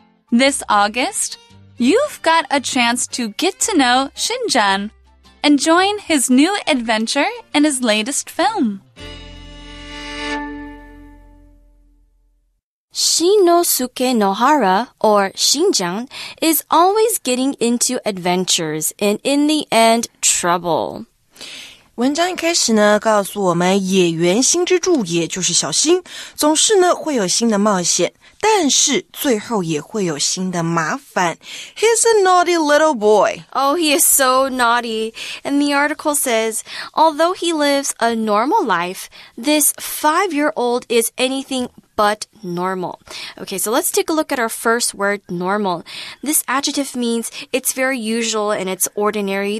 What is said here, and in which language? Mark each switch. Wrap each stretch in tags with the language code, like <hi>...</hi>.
<en>This August, you've got a chance to get to know Shinchan and join his new adventure in his latest film. Shinosuke Nohara, or Shinchan, is always getting into adventures and in the end, trouble.</en> <zh>文章一开始呢告诉我们野原新之助也就是小新总是呢会有新的冒险但是最后也会有新的麻烦。</zh> <en>He's a naughty little boy. Oh, he is so naughty. And the article says, although he lives a normal life, this 5-year-old is anything but normal. Okay, so let's take a look at our first word, normal. This adjective means it's very usual and it's ordinary.</en>